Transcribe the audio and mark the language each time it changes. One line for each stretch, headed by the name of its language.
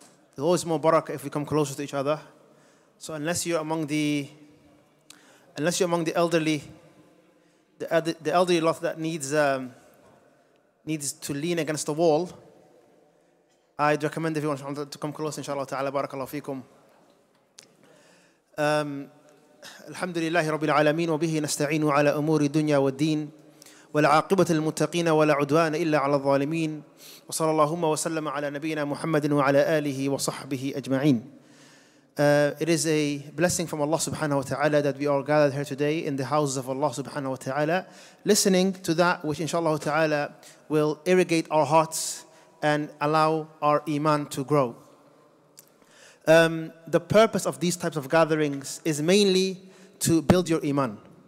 English: It's always more barak if we come closer to each other. So unless you're among the elderly, the elderly lot that needs to lean against the wall, I'd recommend everyone to come close inshallah ta'ala.
Arabic: Barakallahu feekum. الحمد لله رب العالمين وبه نستعين على أمور الدنيا والدين والعاقبة للمتقين ولا عدوان إلا على الظالمين وصلى اللهم وسلم على نبينا محمد وعلى آله وصحبه أجمعين.
English: It is a blessing from Allah subhanahu wa ta'ala that we are gathered here today in the houses of Allah subhanahu wa ta'ala listening to that which inshallah ta'ala will irrigate our hearts and allow our iman to grow. The purpose of these types of gatherings is mainly to build your iman.